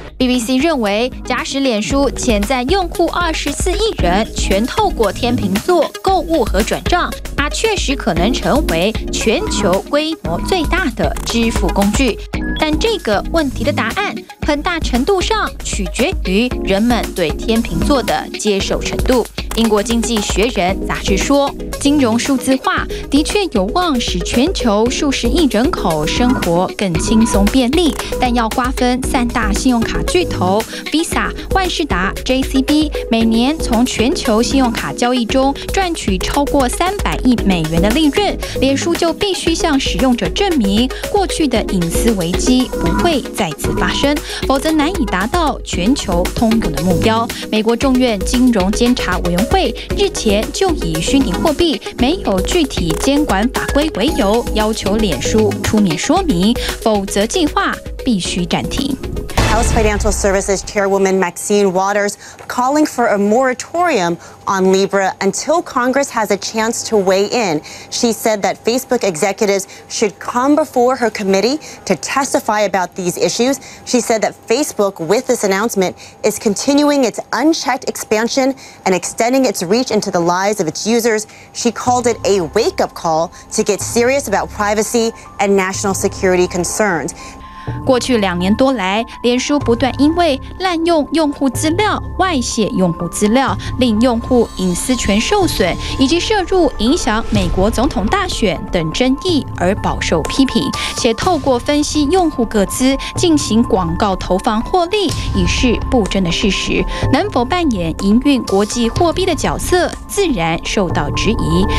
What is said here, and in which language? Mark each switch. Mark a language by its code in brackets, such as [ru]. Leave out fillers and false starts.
[zh] BBC 认为，假使脸书潜在用户24亿人全透过天秤座购物和转账，它确实可能成为全球规模最大的支付工具。但这个问题的答案很大程度上取决于人们对天秤座的接受程度。英国经济学人杂志说，金融数字化的确有望使全球数十亿人口生活更轻松便利，但要瓜分三大信用卡巨头 Visa、万事达、JCB 每年从全球信用卡交易中赚取超过300亿美元的利润，脸书就必须向使用者证明过去的隐私危机不会再次发生，否则难以达到全球通用的目标。美国众院金融监察委员会日前就以虚拟货币没有具体监管法规为由，要求脸书出面说明，否则计划必须暂停。 [en] House Financial Services Chairwoman Maxine Waters calling for a moratorium on Libra until Congress has a chance to weigh in. She said that Facebook executives should come before her committee to testify about these issues. She said that Facebook, with this announcement, is continuing its unchecked expansion and extending its reach into the lives of its users. She called it a wake-up call to get serious about privacy and national security concerns. [zh] 过去两年多来，脸书不断因为滥用用户资料、外泄用户资料、令用户隐私权受损，以及涉入影响美国总统大选等争议而饱受批评，且透过分析用户个资进行广告投放获利已是不争的事实，能否扮演营运国际货币的角色自然受到质疑。